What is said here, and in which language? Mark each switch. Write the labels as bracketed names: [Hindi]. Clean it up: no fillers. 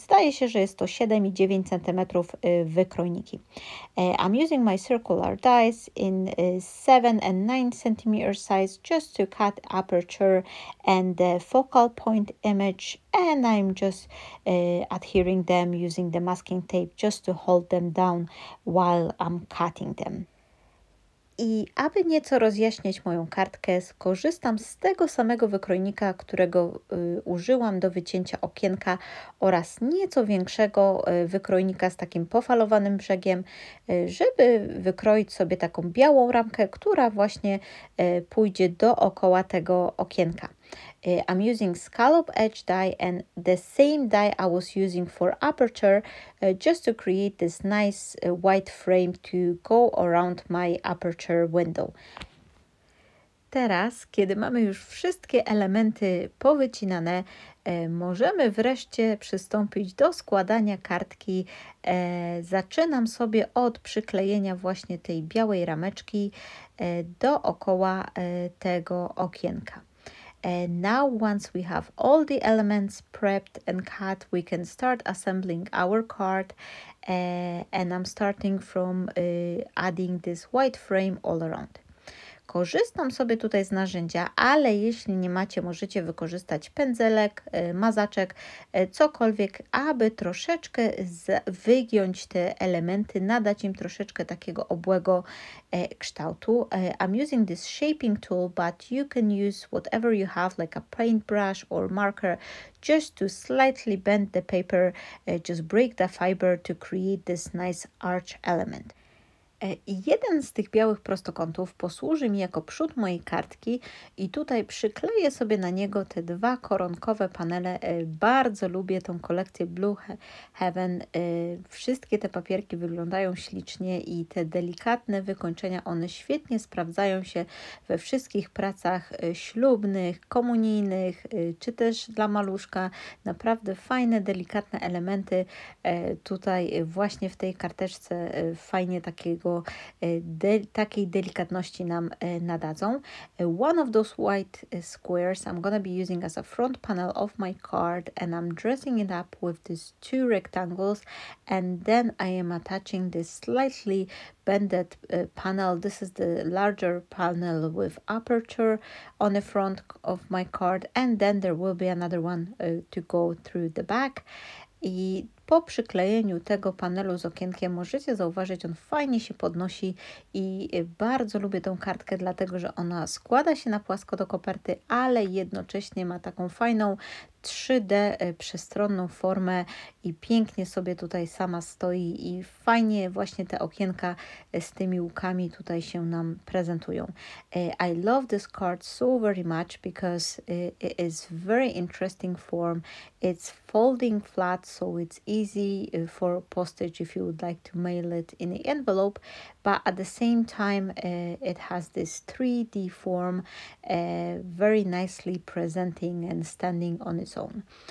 [Polish] Zdaje się, że jest to 7,9 cm wykrojniki. [English] I'm using my circular dies in 7 and 9 cm size just to cut aperture and the focal point image, and I'm just adhering them using the masking tape just to hold them down while I'm cutting them. [Polish] I aby nieco rozjaśnić moją kartkę, skorzystam z tego samego wykrojnika, którego użyłam do wycięcia okienka oraz nieco większego wykrojnika z takim pofalowanym brzegiem, żeby wykroić sobie taką białą ramkę, która właśnie pójdzie dookoła tego okienka. [English] I'm using scallop edge die and the same die I was using for aperture just to create this nice white frame to go around my aperture window. [Polish] Teraz, kiedy mamy już wszystkie elementy powycinane, możemy wreszcie przystąpić do składania kartki. Zaczynam sobie od przyklejenia właśnie tej białej rameczki dookoła tego okienka. [English] And now, once we have all the elements prepped and cut, we can start assembling our card. And I'm starting from adding this white frame all around. [Polish] Korzystam sobie tutaj z narzędzia, ale jeśli nie macie, możecie wykorzystać pędzelek, mazaczek, cokolwiek, aby troszeczkę wygiąć te elementy, nadać im troszeczkę takiego obłego kształtu. [English] I'm using this shaping tool, but you can use whatever you have, like a paintbrush or marker, just to slightly bend the paper, just break the fiber to create this nice arch element. [Polish] Jeden z tych białych prostokątów posłuży mi jako przód mojej kartki i tutaj przykleję sobie na niego te dwa koronkowe panele. Bardzo lubię tą kolekcję Blue Heaven. Wszystkie te papierki wyglądają ślicznie i te delikatne wykończenia, one świetnie sprawdzają się we wszystkich pracach ślubnych, komunijnych, czy też dla maluszka. Naprawdę fajne, delikatne elementy tutaj właśnie w tej karteczce fajnie takie takiej delikatności nam nadadzą. [English] One of those white squares I'm gonna be using as a front panel of my card and I'm dressing it up with these two rectangles and then I am attaching this slightly bended panel. This is the larger panel with aperture on the front of my card and then there will be another one to go through the back. I [Polish] po przyklejeniu tego panelu z okienkiem możecie zauważyć, on fajnie się podnosi i bardzo lubię tą kartkę, dlatego że ona składa się na płasko do koperty, ale jednocześnie ma taką fajną 3D przestronną formę i pięknie sobie tutaj sama stoi i fajnie właśnie te okienka z tymi łukami tutaj się nam prezentują. [English] I love this card so very much because it is very interesting form. It's folding flat, so it's easy for postage if you would like to mail it in the envelope, but at the same time it has this 3D form very nicely presenting and standing on its own.